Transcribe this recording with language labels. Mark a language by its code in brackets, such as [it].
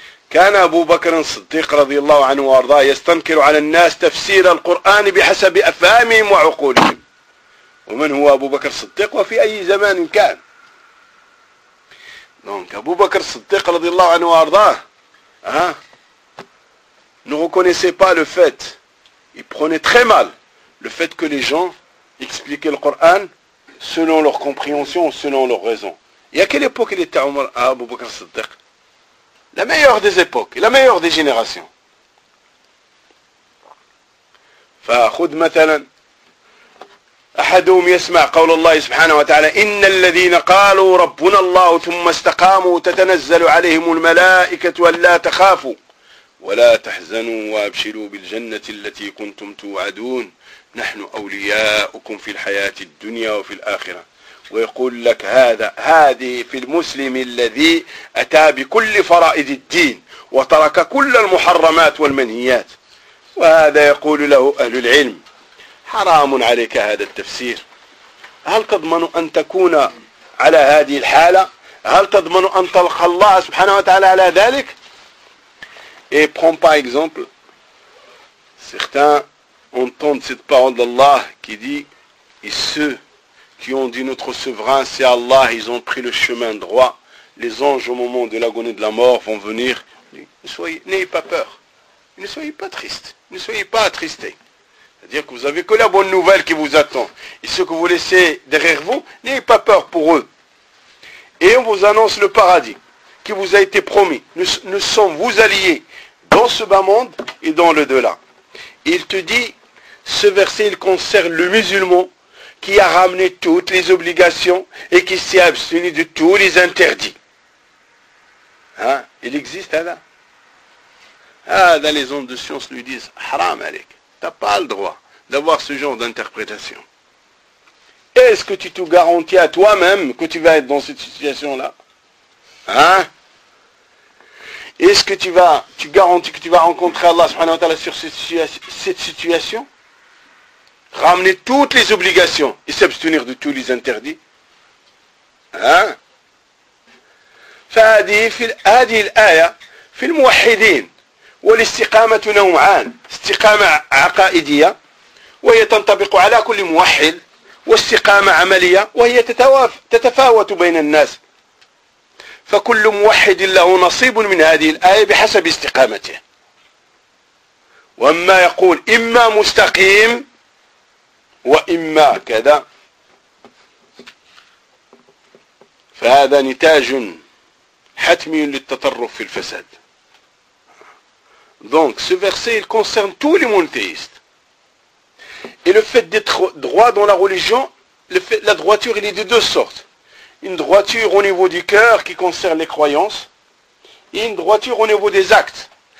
[ar] كان أبو بكر الصديق رضي الله عنه وارضاه يستنكر على الناس تفسير القرآن بحسب أفهامهم وعقولهم. ومن هو أبو بكر الصديق وفي أي زمان كان. [fr] Donc أبو بكر الصديق [ar] رضي الله عنه وارضاه [fr] ne reconnaissait pas le fait, il prenait très mal le fait que les gens expliquaient le Coran selon leur compréhension, selon leur raison. Et à quelle époque il était Omar Abu Bakr Siddiq? La meilleure des époques, la meilleure des générations. [ar] فخذ مثلا أحدهم يسمع قول الله سبحانه وتعالى إن الذين قالوا ربنا الله ثم استقاموا تتنزل عليهم الملائكة ولا تخافوا ولا تحزنوا وابشروا بالجنة التي كنتم توعدون نحن أولياؤكم في الحياة الدنيا وفي الآخرة. ويقول لك هذا هذه في المسلم الذي أتى بكل فرائض الدين وترك كل المحرمات والمنهيات وهذا يقول له أهل العلم حرام عليك هذا التفسير هل تضمن أن تكون على هذه الحالة هل تضمن أن تلقى الله سبحانه وتعالى على ذلك [fr] et prends par exemple certains entendent cette parole d'Allah qui dit ceux qui ont dit notre souverain, c'est Allah, ils ont pris le chemin droit. Les anges, au moment de l'agonie de la mort, vont venir. N'ayez pas peur. Ne soyez pas triste. Ne soyez pas attristés. C'est-à-dire que vous n'avez que la bonne nouvelle qui vous attend. Et ce que vous laissez derrière vous, n'ayez pas peur pour eux. Et on vous annonce le paradis qui vous a été promis. Nous sommes vos alliés dans ce bas monde et dans le delà. Et il te dit, ce verset, il concerne le musulman qui a ramené toutes les obligations et qui s'est abstenu de tous les interdits. Hein? Il existe là. Ah, dans les ondes de science lui disent, [ar] haram alik, [fr] t'as pas le droit d'avoir ce genre d'interprétation. Est-ce que tu te garantis à toi-même que tu vas être dans cette situation-là? Hein? Est-ce que tu garantis que tu vas rencontrer Allah subhanahu wa ta'ala sur cette situation? Ramener toutes les obligations et s'abstenir de tous les interdits. Hein? [ar] فهذه الآية في الموحدين والاستقامة نوعان استقامة عقائدية وهي تنطبق على كل موحد واستقامة عملية وهي تتفاوت بين الناس فكل موحد له نصيب من هذه الآية بحسب استقامته وأما يقول إما مستقيم وإما كذا فهذا نتاج حتمي للتطرف في الفساد. [fr] Donc ce verset il concerne tous les monothéistes. Et le fait d'être droit dans la religion, la droiture il est de deux sortes. Une droiture au niveau du cœur qui concerne les croyances et une droiture au niveau des actes.